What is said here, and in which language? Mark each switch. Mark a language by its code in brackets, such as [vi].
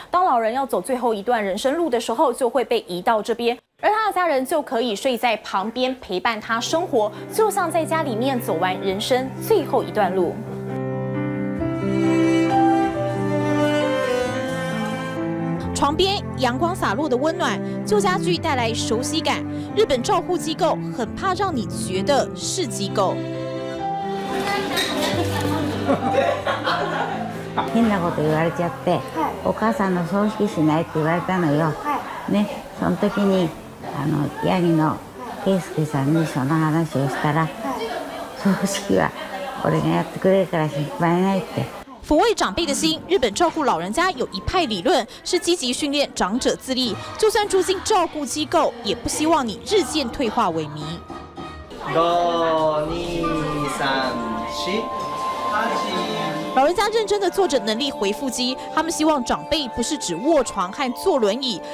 [zh] 当老人要走最后一段人生路的时候，就会被移到这边，而他的家人就可以睡在旁边陪伴他生活，就像在家里面走完人生最后一段路。旁边阳光洒落的温暖，旧家具带来熟悉感。日本照护机构很怕让你觉得是机构。 [ja] 変なこと言われちゃって、お母さんの葬式しないって言われたのよ。ね、その時にあのヤギの圭介さんにその話をしたら、葬式は俺がやってくれるから心配ないって。 [zh] 抚慰长辈的心，日本照顾老人家有一派理论是积极训练长者自立，就算住进照顾机构，也不希望你日渐退化萎靡。 5、2、3、4，老人家认真的坐着能力回复机，他们希望长辈不是只卧床和坐轮椅。